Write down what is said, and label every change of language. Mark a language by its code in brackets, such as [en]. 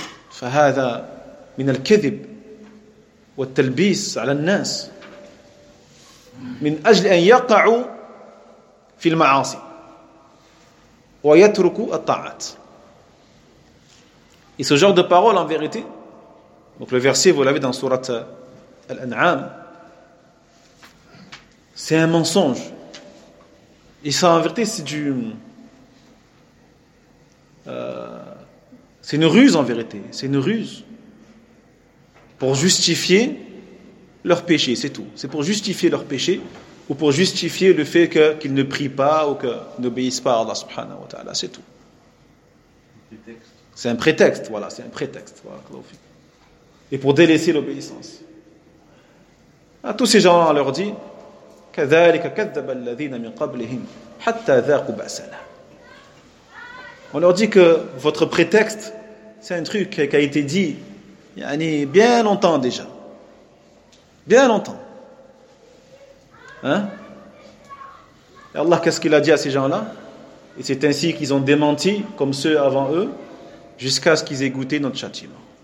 [ar] فهذا من الكذب والتلبيس على الناس من أجل أن يقعوا في المعاصي ويتركوا الطاعات. [fr] Et ce genre de parole en vérité, donc le verset vous l'avez dans surat Al-An'am, c'est un mensonge. Et ça en vérité c'est du... c'est une ruse en vérité, c'est une ruse pour justifier leur péché, c'est tout. C'est pour justifier leur péché ou pour justifier le fait que, qu'ils ne prient pas ou qu'ils n'obéissent pas à Allah subhanahu wa ta'ala, c'est tout. C'est un prétexte, voilà, c'est un prétexte. Voilà. Et pour délaisser l'obéissance. À tous ces gens-là, on leur dit [ar] كَذَلِكَ كَذَّبَ الَّذِينَ مِنْ قَبْلِهِمْ حَتَّى ذَاقُوا بَأْسَنَا. [fr] On leur dit que votre prétexte, c'est un truc qui a été dit yani, bien longtemps déjà. Bien longtemps. Hein? Et Allah, qu'est-ce qu'il a dit à ces gens-là? Et c'est ainsi qu'ils ont démenti, comme ceux avant eux, jusqu'à ce qu'ils aient goûté notre châtiment.